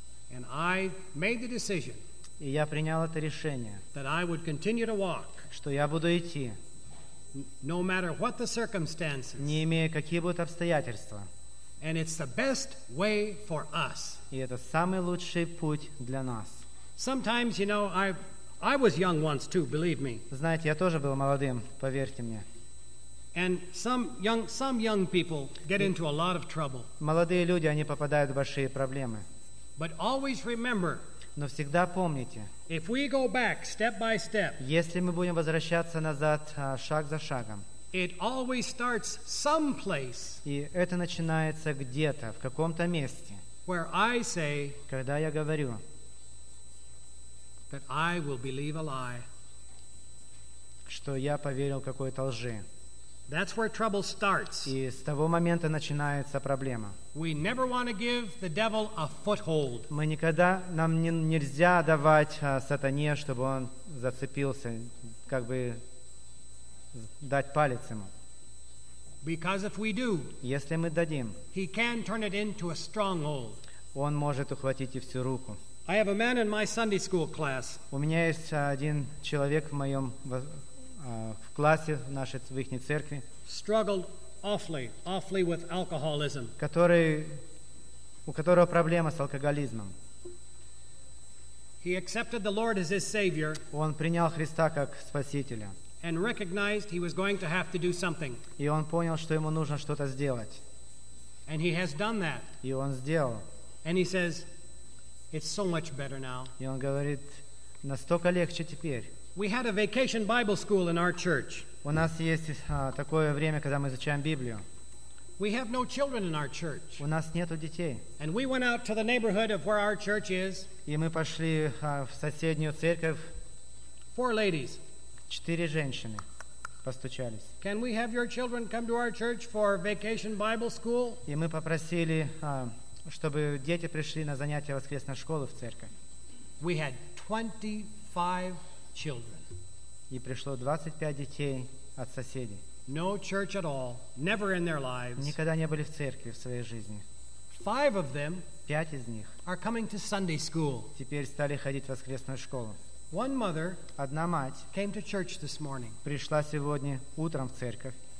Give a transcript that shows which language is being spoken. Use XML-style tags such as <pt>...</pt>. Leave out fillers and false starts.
<en>And I made the decision.</en> <ru>И я принял это решение,</ru> <en>that I would continue to walk,</en> <ru>что я буду идти,</ru> <en>no matter what the circumstances,</en> <ru>не имея какие будут обстоятельства.</ru> <en>And it's the best way for us.</en> <ru>И это самый лучший путь для нас.</ru> <en>Sometimes, you know, I was young once too, believe me.</en> <ru>Знаете, я тоже был молодым, поверьте мне.</ru> <en>And some young people get into a lot of trouble.</en> <ru>Молодые люди, они попадают в большие проблемы.</ru> <en>But always remember.</en> <ru>Но всегда помните,</ru> <en>if we go back step by step,</en> <ru>если мы будем возвращаться назад шаг за шагом,</ru> <en>it always starts someplace,</en> <ru>и это начинается где-то, в каком-то месте,</ru> <en>where I say,</en> <ru>когда я говорю,</ru> <en>that I will believe a lie,</en> <ru>что я поверил какой-то лжи.</ru> <en>That's where trouble starts.</en> <ru>И с того момента начинается проблема.</ru> <en>We never want to give the devil a foothold.</en> <ru>Мы никогда, нам не, нельзя давать сатане, чтобы он зацепился, как бы дать палец ему.</ru> <en>Because if we do,</en> <ru>если мы дадим,</ru> <en>he can turn it into a stronghold.</en> <ru>Он может ухватить и всю руку.</ru> <en>I have a man in my Sunday school class.</en> <ru>У меня есть один человек в моем в классе в нашей в ихней церкви.</ru> <en>Struggled awfully, awfully with alcoholism.</en> <ru>У которого проблема с алкоголизмом.</ru> <en>He accepted the Lord as his savior.</en> <ru>Он принял Христа как спасителя.</ru> <en>And recognized he was going to have to do something.</en> <ru>И он понял, что ему нужно что-то сделать.</ru> <en>And he has done that.</en> <ru>И он сделал.</ru> <en>And he says, "It's so much better now."</en> <ru>И он говорит, настолько легче теперь.</ru> <en>We had a vacation Bible school in our church.</en> <ru>У нас есть такое время, когда мы изучаем Библию.</ru> <en>We have no children in our church.</en> <ru>У нас нету детей.</ru> <en>And we went out to the neighborhood of where our church is.</en> <ru>И мы пошли в соседнюю церковь.</ru> <en>Four ladies.</en> <ru>Четыре женщины постучались.</ru> <en>Can we have your children come to our church for vacation Bible school?</en> <ru>И мы попросили, чтобы дети пришли на занятия воскресной школы в церковь.</ru> <en>We had 25 children.</en> <ru>И пришло 25 детей от соседей.</ru> <en>No church at all, never in their lives.</en> <ru>Никогда не были в церкви в своей жизни.</ru> <en>Five of them.</en> <ru>Пять из них.</ru> <en>Are coming to Sunday school.</en> <ru>Теперь стали ходить в воскресную школу.</ru> <en>One mother.</en> <ru>Одна мать.</ru> <en>Came to church this morning.</en> <ru>Пришла сегодня утром в церковь.</ru>